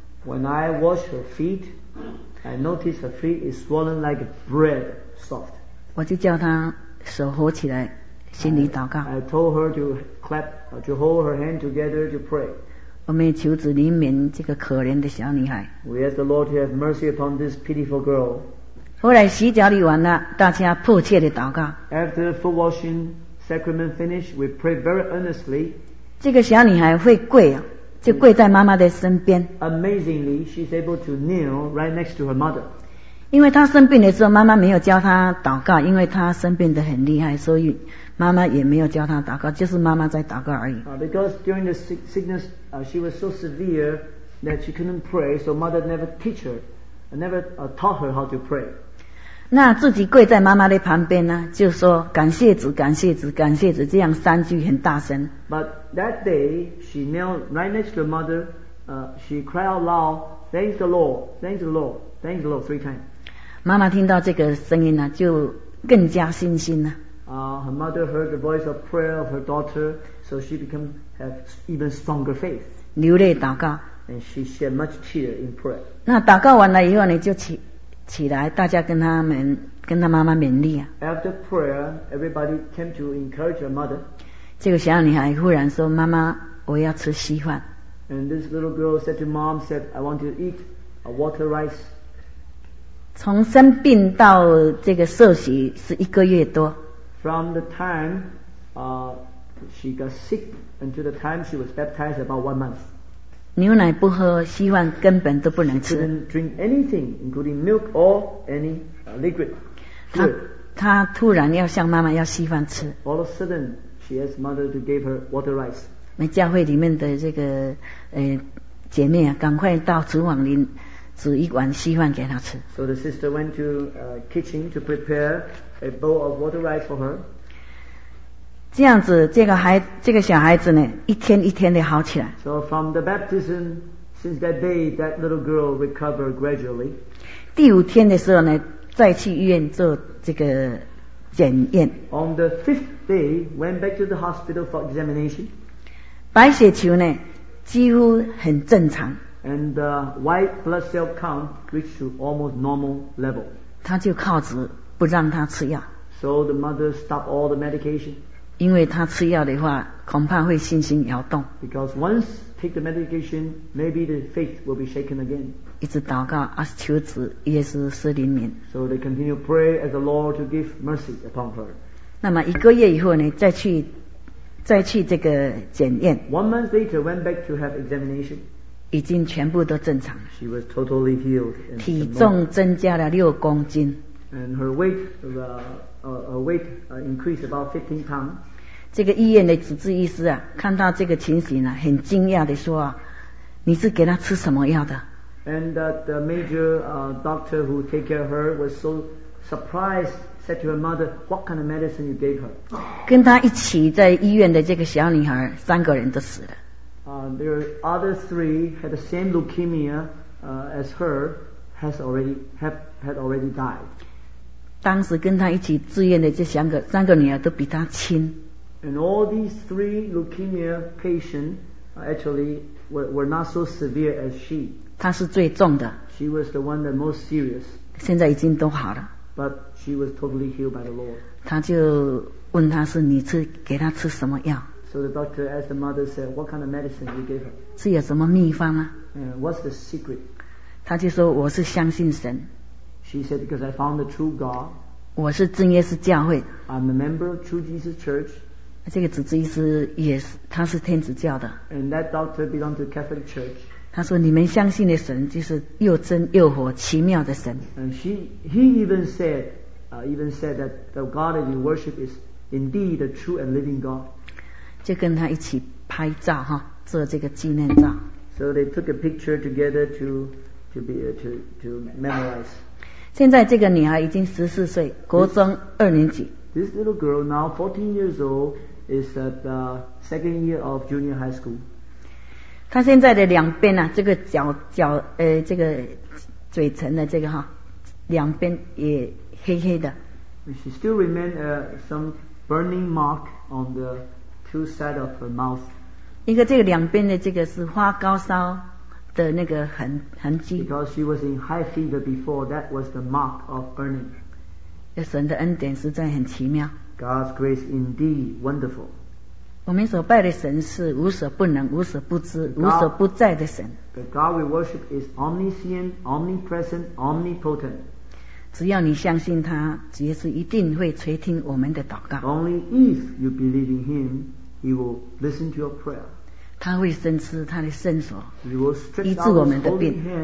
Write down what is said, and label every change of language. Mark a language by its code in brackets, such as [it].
[en] When I wash her feet, I noticed her feet is swollen like bread, soft. [zh] 我就叫她手合起来，心里祷告。 [en] I told her to clap, to hold her hand together to pray. [zh] 我们也求主怜悯这个可怜的小女孩。 [en] We ask the Lord to have mercy upon this pitiful girl. [zh] 后来洗脚礼完了，大家迫切的祷告。 [en] After the foot washing sacrament finished, we prayed very earnestly. [zh] 这个小女孩会跪啊。就跪在妈妈的身边。 [en] Amazingly, she's able to kneel right next to her mother. [zh] 因为她生病的时候，妈妈没有教她祷告，因为她生病得很厉害，所以妈妈也没有教她祷告，就是妈妈在祷告而已。 [en] Because during the sickness, she was so severe that she couldn't pray, so mother never teach her, never taught her how to pray. [zh] 那自己跪在妈妈的旁边呢，就说感谢主，感谢主，感谢主，这样三句很大声。 [en] But that day, she knelt right next to her mother. She cried out loud, "Thanks the Lord, thanks the Lord, thanks the Lord," three times. [zh] 妈妈听到这个声音呢，就更加信心了。 [en] Her mother heard the voice of prayer of her daughter, so she became have even stronger faith. [zh] 流泪祷告。 [en] And she shed much tear in prayer. [zh] 那祷告完了以后呢，就起来，大家跟他妈妈勉励啊。 [en] After prayer, everybody came to encourage her mother. [zh] 这个小女孩忽然说：“妈妈，我要吃稀饭。” [en] And this little girl said to mom, "said I want to eat a water rice." [zh] 从生病到这个受洗是一个月多。 [en] From the time, she got sick until the time she was baptized, about 1 month. [zh] 牛奶不喝，稀饭根本都不能吃。 [en] She couldn't drink anything, including milk or any liquid. [zh] 她突然要向妈妈要稀饭吃。 [en] All of a sudden, she asked mother to give her water rice. [zh] 那教会里面的这个姐妹啊，赶快到厨房里煮一碗稀饭给她吃。 [en] So the sister went to kitchen to prepare a bowl of water rice for her. [zh] 这样子，这个小孩子呢，一天一天的好起来。 [en] So from the baptism, since that day, that little girl recovered gradually. [zh] 第五天的时候呢，再去医院做这个检验。 [en] On the fifth day, went back to the hospital for examination. [zh] 白血球呢，几乎很正常。 [en] And the white blood cell count reached to almost normal level. [zh] 他就靠着不让他吃药。 [en] So the mother stopped all the medication. [zh] 因为他吃药的话，恐怕会信心摇动。 [en] Because once take the medication, maybe the faith will be shaken again. [zh] 一直祷告，求主耶稣施怜悯。 [en] So they continue pray as the Lord to give mercy upon her. [zh] 那么一个月以后呢，再去这个检验。 [en] One month later, went back to have examination. [zh] 已经全部都正常了。 [en] She was totally healed. [zh] 体重增加了6公斤。 [en] And her weight increased about 15 pounds. [zh] 这个医院的主治医师啊，看到这个情形啊，很惊讶地说啊，你是给他吃什么药的？ [en] And the major doctor who take care of her was so surprised, said to her mother, "What kind of medicine you gave her?" [zh] 跟他一起在医院的这个小女孩，三个人都死了。 [en] There other three had the same leukemia as her, had already died. [zh] 当时跟他一起住院的这三个女儿都比他亲。 [en] And all these three leukemia patients actually were not so severe as she. [zh] 她是最重的。 [en] She was the one the most serious. [zh] 现在已经都好了。 [en] But she was totally healed by the Lord. [zh] 他就问她是你吃给她吃什么药 [en] ？So the doctor asked the mother, "said What kind of medicine you gave her?" [zh] 是有什么秘方吗 [en] ？What's the secret? [zh] 她就说我是相信神。 [en] She said, "Because I found the true God." [zh] 我是真耶稣教会。 [en] I'm a member of True Jesus Church. [zh] 这个主治医师也是，他是天主教的。 [en] And that doctor belonged to Catholic Church. [zh] 他说，你们相信的神就是又真又活、奇妙的神。 [en] And he even said that the God that you worship is indeed the true and living God. [zh] 就跟他一起拍照哈，做这个纪念照。 [en] So they took a picture together to memorize. [zh] 现在这个女孩已经14岁，国中二年级。 [en] This little girl now 14 years old is at the second year of junior high school. [zh] 她现在的两边啊，这个这个嘴唇的这个哈，两边也黑黑的。 She still remain some burning mark on the two side of her mouth. 一个这个两边的这个是发高烧，的那个痕迹。 [en] Because she was in high fever before, that was the mark of burning. [zh] 神的恩典实在很奇妙。 [en] God's grace indeed wonderful. [zh] 我们所拜的神是无所不能、无所不知、无所不在的神。 [en] The God we worship is omniscient, omnipresent, omnipotent. [zh] 只要你相信他，耶稣一定会垂听我们的祷告。 [en] Only if you believe in him, he will listen to your prayer. [zh] 他会伸出他的圣手医治我们的病。